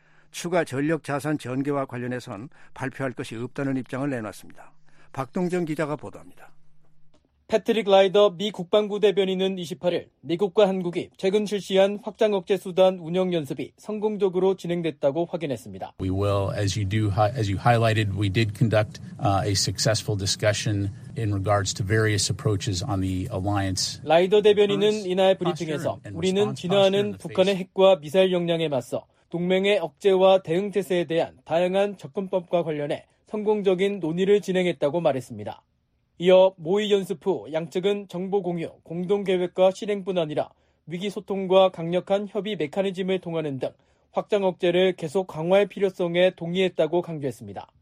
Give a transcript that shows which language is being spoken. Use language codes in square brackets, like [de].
[ko] 추가 전력 자산 전개와 관련해선 발표할 것이 없다는 입장을 내놨습니다. 박동정 기자가 보도합니다. 패트릭 라이더 미 국방부 대변인은 28일 미국과 한국이 최근 실시한 확장 억제 수단 운영 연습이 성공적으로 진행됐다고 확인했습니다. [en] We will, as you highlighted, we did conduct a successful discussion in regards to various approaches on the alliance. [ko] 라이더 대변인은 이날 브리핑에서 우리는 진화하는 북한의 핵과 미사일 역량에 맞서 동맹의 억제와 대응 태세에 대한 다양한 접근법과 관련해 성공적인 논의를 진행했다고 말했습니다. 이어 모의 연습 후 양측은 정보 공유, 공동 계획과 실행뿐 아니라 위기 소통과 강력한 협의 메커니즘을 통하는 등 확장 억제를 계속 강화할 필요성에 동의했다고 강조했습니다.